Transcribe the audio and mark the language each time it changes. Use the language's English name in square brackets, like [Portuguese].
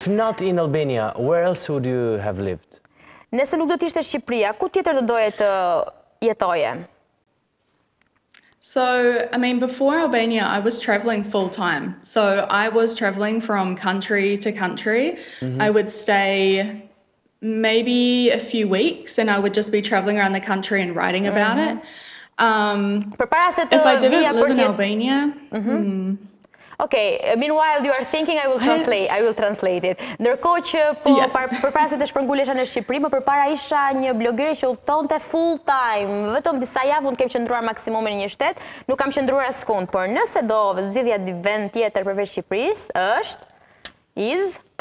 [English] not in Albania, where else would you have lived? [Albanian] Nëse nuk do të ishte Shqipëria, ku tjetër do doje të jetoje? [English] So, I mean, before Albania, I was traveling full time. So, I was traveling from country to country. Mm-hmm. I would stay maybe a few weeks and I would just be traveling around the country and writing about mm-hmm. it. If I didn't live in Albania... Mm-hmm. Hmm. Okay, meanwhile you are thinking I will translate it. [Albanian] Ndërkohë që po përpara se të shpërngulesha në Shqipëri, më përpara isha një blogeri që udhëtonte full time. Vetëm disa javë unë kam qëndruar maksimumin në një shtet, nuk kam qëndruar askund, por nëse do zgjidhja di vend tjetër përveç Shqipërisë, është is